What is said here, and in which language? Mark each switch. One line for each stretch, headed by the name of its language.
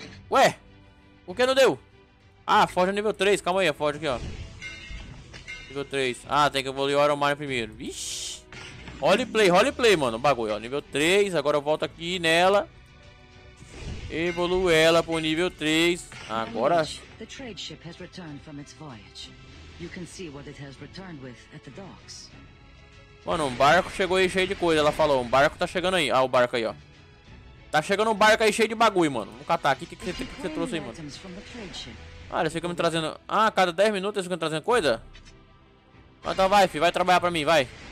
Portuguese: Ué! Por que não deu? Ah, forja nível 3. Calma aí, a forja aqui, ó. Nível 3. Ah, tem que evoluir o Iron Man primeiro. Vixi. Roleplay, mano. Bagulho, ó. Nível 3. Agora eu volto aqui nela. Evoluo ela pro nível 3. Agora.
English: The trade ship has returned from its voyage. You can see what it has returned with at the docks.
Portuguese: Mano, um barco chegou aí cheio de coisa. Ela falou, um barco tá chegando aí. Ah, o barco aí, ó. Tá chegando um barco aí cheio de bagulho, mano. Vamos catar aqui. O que você trouxe aí, mano? Ah, eles ficam me trazendo... Ah, a cada 10 minutos eles ficam trazendo coisa? Então vai, filho. Vai trabalhar pra mim, vai.